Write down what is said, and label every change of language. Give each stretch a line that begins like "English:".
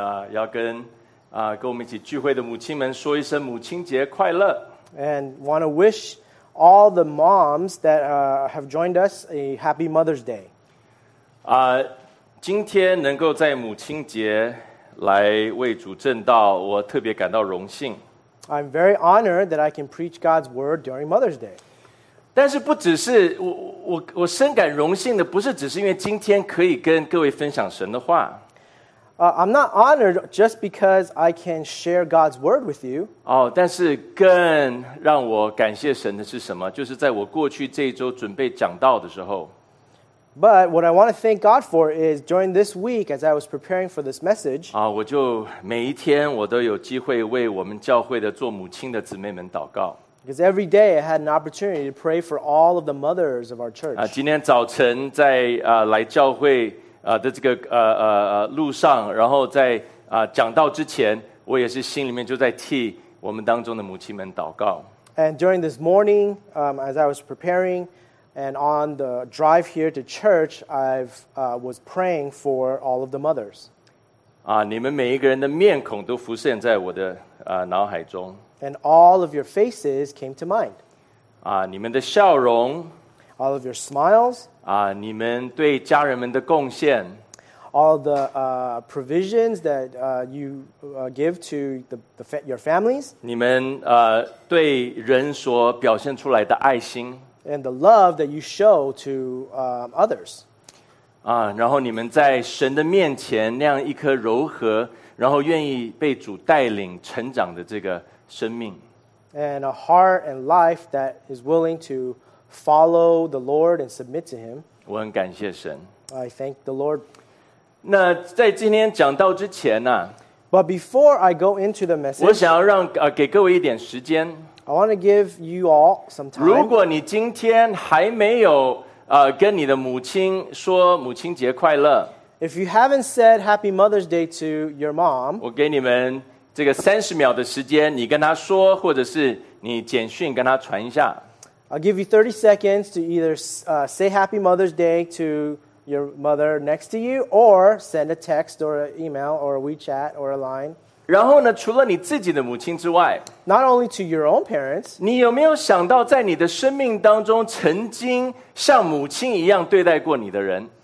Chinese: 要跟跟我们一起聚会的母亲们说一声母亲节快乐。
English: And want to wish all the moms that have joined us a happy Mother's Day.
Chinese: 今天能够在母亲节来为主证道，我特别感到荣幸。
English: I'm very honored that I can preach God's word during Mother's Day.
Chinese: 但是不只是 我深感荣幸的，不是只是因为今天可以跟各位分享神的话。
English: I'm not honored just because I can share God's word with you.
Chinese: 但是更让我感谢神的是什么？就是在我过去这一周准备讲道的时候。
English: But what I want to thank God for is during this week, as I was preparing for this message,
Chinese: 我就每一天我都有机会为我们教会的做母亲的姊妹们祷告。
English: Because every day I had an opportunity to pray for all of the mothers of our church.
Chinese: 今天早晨在来教会的这个路上，然后在讲道之前，我也是心里面就在替我们当中的母亲们祷告。
English: And during this morning, as I was preparing, and on the drive here to church, I was praying for all of the mothers.
Chinese: 你们每一个人的面孔都浮现在我的脑海中。
English: And all of your faces came to mind.
Chinese: 你们的笑容。
English: All of your smiles.
Chinese: 你们对家人们的贡献。
English: All the provisions that you give to your families.
Chinese: 你们对人所表现出来的爱心。
English: And the love that you show to others.
Chinese: 然后你们在神的面前那样一颗柔和，然后愿意被主带领成长的这个生命。
English: And a heart and life that is willing to follow the Lord and submit to Him.
Chinese: 我很感谢神。
English: I thank the Lord.
Chinese: 那在今天讲道之前呢、
English: But before I go into the message,
Chinese: 我想要让给各位一点时间。
English: I want to give you all some time.
Chinese: 如果你今天还没有跟你的母亲说母亲节快乐，
English: If you haven't said Happy Mother's Day to your mom,
Chinese: 我给你们这个30秒的时间，你跟她说，或者是你简讯跟她传一下。
English: I'll give you 30 seconds to either say Happy Mother's Day to your mother next to you, or send a text or an email or a WeChat or a line.
Chinese: 然后呢？除了你自己的母亲之外
English: ，Not only to your own parents，
Chinese: 你有没有想到在你的生命当中曾经像母亲一样对待过你的人